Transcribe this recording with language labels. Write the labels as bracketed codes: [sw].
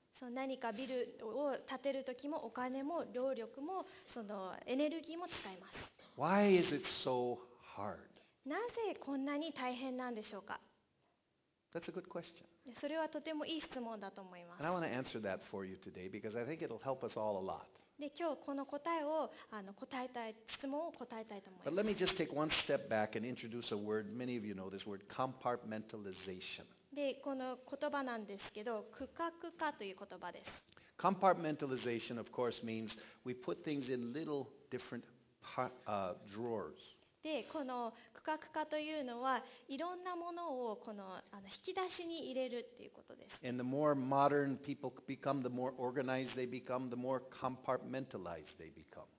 [ja] その何かビルを建てるときもお金も労力もそのエネルギーも使います。 [en] Why is it so hard? [ja] なぜこんなに大変なんでしょうか? [en] That's a good question. [ja] それはとてもいい質問だと思います。 [en] And I want to answer that for you today because I think it'll help us all a lot. [ja] で、今日この答えを答えたい、質問を答えたいと思います。 [en] But let me just take one step back and introduce a word. Many of you know this word, compartmentalization. [ja] で、この言葉なんですけど、区画化という言葉です。 [en] Compartmentalization, of course, means we put things in little different drawers. [ja] で、この区画化というのは、いろんなものをこの引き出しに入れるということです。 [en] And the more modern people become, the more organized they become, the more compartmentalized they become.